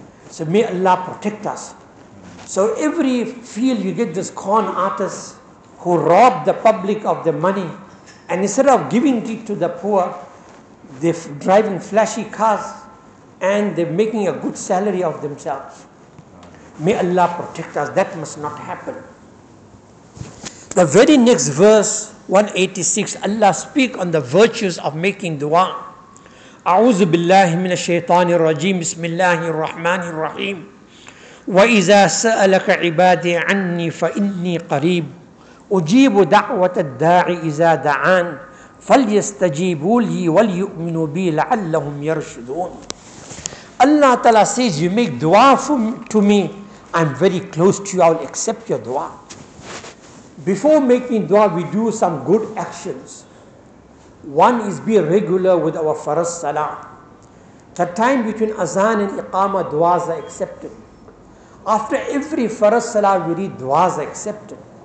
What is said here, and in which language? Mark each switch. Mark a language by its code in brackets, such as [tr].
[en] So may Allah protect us. So every field you get this con artist who rob the public of the money, and instead of giving it to the poor, they're driving flashy cars and they're making a good salary of themselves. May Allah protect us. That must not happen. The very next verse, 186, Allah speak on the virtues of making dua. [ar] أعوذ بالله من الشيطان الرجيم بسم الله الرحمن الرحيم وإذا سألك عبادي عني فإني قريب أجيب دعوة الداعي إذا دعان فليستجيبوا لي وليؤمنوا بي لعلهم يرشدون. [en] Allah Ta'ala says, you make dua to me, I'm very close to you, I'll accept your dua. Before making dua, we do some good actions. One is be regular with our Faraz Salah. The time between Azan and Iqamah, du'as are accepted. After every Faraz Salah, we read du'as are accepted.